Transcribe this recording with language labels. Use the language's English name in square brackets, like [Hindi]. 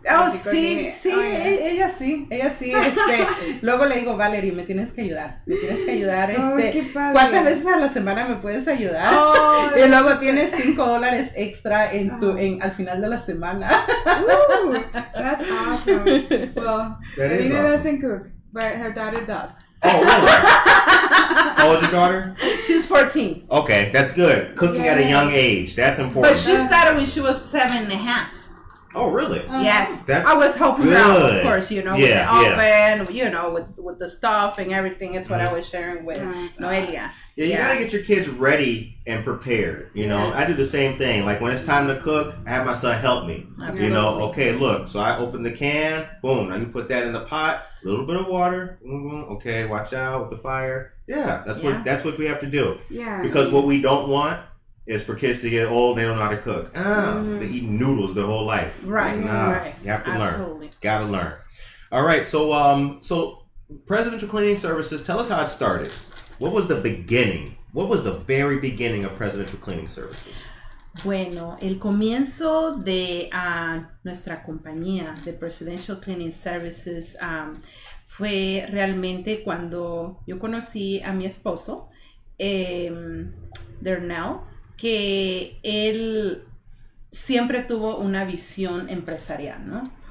[Spanish] Ella sí. luego le digo, Valerie, me tienes que ayudar. Qué padre. ¿Cuántas veces a la semana me puedes ayudar? Oh, y luego tienes $5 extra en tu al final de la semana. [English] That's awesome. Well, Nina doesn't cook, but her daughter does. Oh, really? How old is your daughter? She's 14. Okay, that's good. Cooking at a young age, that's important. But she started when she was 7 and a half. Oh, really? Mm-hmm. Yes. That's I was helping her out, of course, you know, with the oven, you know, with the stuff and everything. It's what I was sharing with Noelia. Yeah, you got to get your kids ready and prepared, you know. I do the same thing. Like, when it's time to cook, I have my son help me. Absolutely. You know, okay, look, so I open the can, boom, now you put that in the pot. Little bit of water, okay, watch out with the fire. Yeah, that's what we have to do. Yeah. Because what we don't want is for kids to get old and they don't know how to cook. They eat noodles their whole life. Right. Nah, right. You have to learn. Gotta learn. All right, so Presidential Cleaning Services, tell us how it started. What was the beginning? What was the very beginning of Presidential Cleaning Services? [Spanish] Bueno, el comienzo de nuestra compañía, de Presidential Cleaning Services, fue realmente cuando yo conocí a mi esposo, Darnell, que él siempre tuvo una visión empresarial, ¿no?